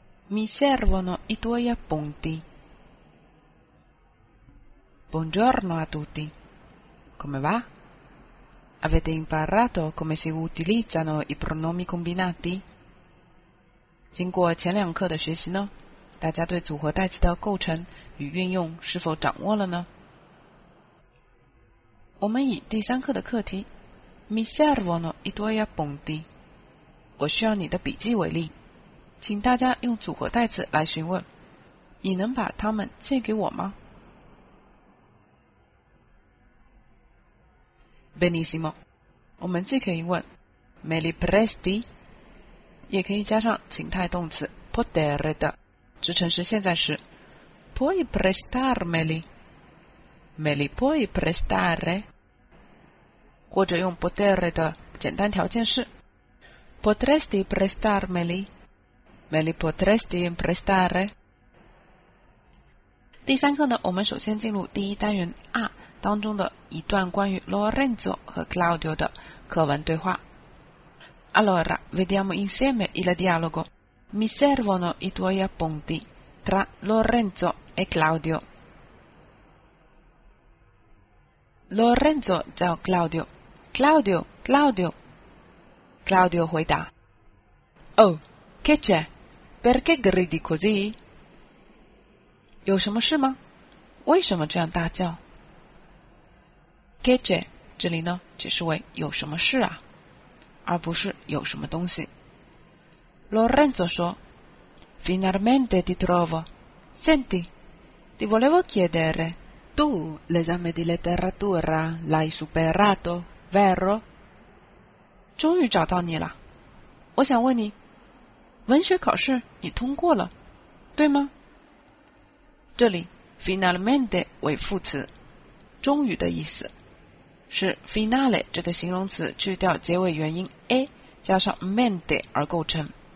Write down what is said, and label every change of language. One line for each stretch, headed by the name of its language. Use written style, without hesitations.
Italian: Mi servono i tuoi appunti. Buongiorno a tutti. Come va? Avete imparato come si utilizzano i pronomi combinati?
Chinese: 经过前两课的学习呢，大家对组合代词的构成与运用是否掌握了呢？我们以第三课的课题
Italian: Mi servono i tuoi appunti，
Chinese: 我需要你的笔记为例，请大家用组合代词来询问，你能把它们借给我吗？
Italian: Benissimo，
Chinese: 我们既可以问
Italian: Me li presti?
Chinese: 也可以加上情态动词 potere 的直陈式现在时
Italian: puoi prestarmeli me li puoi prestare
Chinese: 或者用 potere 的简单条件式
Italian: potresti prestarmeli me li potresti prestare。
Chinese: 第三课呢，我们首先进入第一单元 R 当中的一段关于 Lorenzo 和 Claudio 的课文对话。
Italian: Allora, vediamo insieme il dialogo. Mi servono i tuoi appunti tra Lorenzo e Claudio. Lorenzo, ciao Claudio. Claudio, Claudio.
Chinese: Claudio 回答
Italian: Oh, che c'è? Perché gridi così?
Chinese: 有什么事吗？为什么这样大叫？
Italian: Che c'è?
Chinese: 这里呢，解释为有什么事啊？而不是有什么东西。 Lorenzo 说
Italian: Finalmente ti trovo. Senti, ti volevo chiedere, tu l'esame di letteratura l'hai superato, vero?
Chinese: 终于找到你了，我想问你，文学考试你通过了对吗？这里 Finalmente 为副词，终于的意思，是 finale 这个形容词去掉结尾元音 a 加上 mente 而构成。